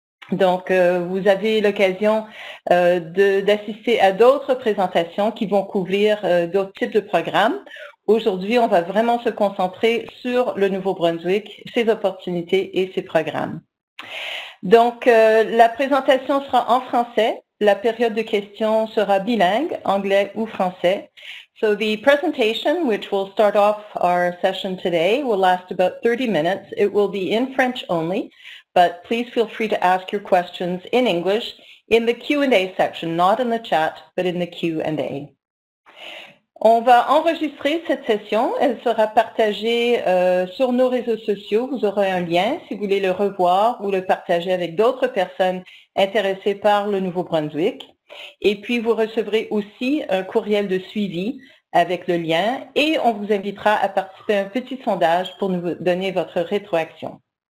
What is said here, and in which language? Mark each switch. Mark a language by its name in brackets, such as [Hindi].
[French] Donc, vous avez l'occasion d'assister à d'autres présentations qui vont couvrir d'autres types de programmes. Aujourd'hui, on va vraiment se concentrer sur le Nouveau-Brunswick, ses opportunités et ses programmes. Donc, la présentation sera en français. La période de questions sera bilingue, anglais ou français. [English] So the presentation, which will start off our session today, will last about 30 minutes. It will be in French only, but please feel free to ask your questions in English in the Q&A section, not in the chat, but in the Q&A. [French] On va enregistrer cette session. Elle sera partagée sur nos réseaux sociaux. Vous aurez un lien si vous voulez le revoir ou le partager avec d'autres personnes intéressées par le Nouveau-Brunswick. Et puis, vous recevrez aussi un courriel de suivi avec le lien et on vous invitera à participer à un petit sondage pour nous donner votre rétroaction.